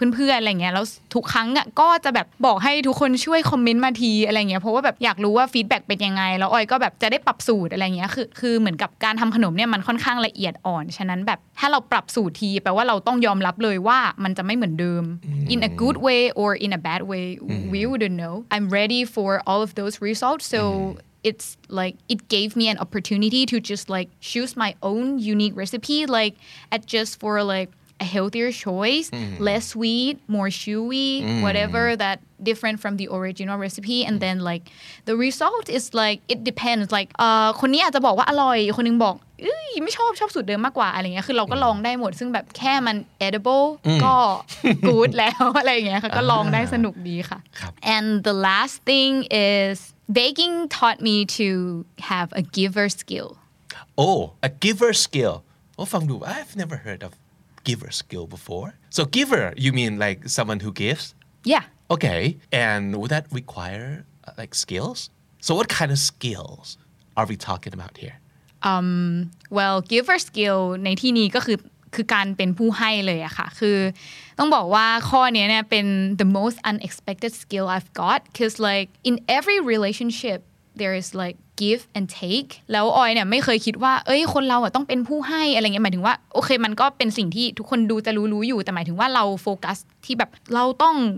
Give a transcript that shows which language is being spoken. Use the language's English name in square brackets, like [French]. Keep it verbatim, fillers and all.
[Thai] เพื่อนๆอะไรเงี้ยแล้วทุกครั้งอ่ะก็จะแบบบอกให้ทุกคนช่วยคอมเมนต์มาทีอะไรเงี้ยเพราะว่าแบบอยากรู้ว่า feedback เป็นยังไงแล้วออยก็แบบจะได้ปรับสูตรอะไรเงี้ยคือคือเหมือนกับการทำขนมเนี่ยมันค่อนข้างละเอียดอ่อนฉะนั้นแบบถ้าเราปรับสูตรทีแปลว่าเราต้องยอมรับเลยว่ามันจะไม่เหมือนเดิม [English] in a good way or in a bad way we wouldn't know I'm ready for all of those results So it's like it gave me an opportunity to just like choose my own unique recipe, like adjust for like a healthier choice, mm. less sweet, more chewy, mm. whatever that different from the original recipe. And then like the result is like it depends. [Thai] Like คนนี้อาจจะบอกว่าอร่อยคนนึงบอกไม่ชอบชอบสูตรเดิมมากกว่าอะไรเงี้ยคือเราก็ลองได้หมดซึ่งแบบแค่มัน edible ก็ good แล้วอะไรเงี้ยค่ะก็ลองได้สนุกดีค่ะ [English] And the last thing is baking taught me to have a giver skill. Oh, a giver skill. Oh, from you. I've never heard of giver skill before. So giver, you mean like someone who gives? Yeah. Okay. And would that require uh, like skills? So what kind of skills are we talking about here? Um, well, giver skill [Thai] ในที่นี้ก็คือคือการเป็นผู้ให้เลยอะค่ะคือต้องบอกว่าข้อนี้เนี่ยเป็น [English] the most unexpected skill I've got cause like in every relationship there is like give and take [Thai] แล้วออยเนี่ยไม่เคยคิดว่าเอ้ยคนเราอ่ะต้องเป็นผู้ให้อะไรเงี้ยหมายถึงว่าโอเคมันก็เป็นสิ่งที่ทุกคนดูจะรู้ๆอยู่แต่หมายถึงว่าเราโฟกัสที่แบบเราต้อง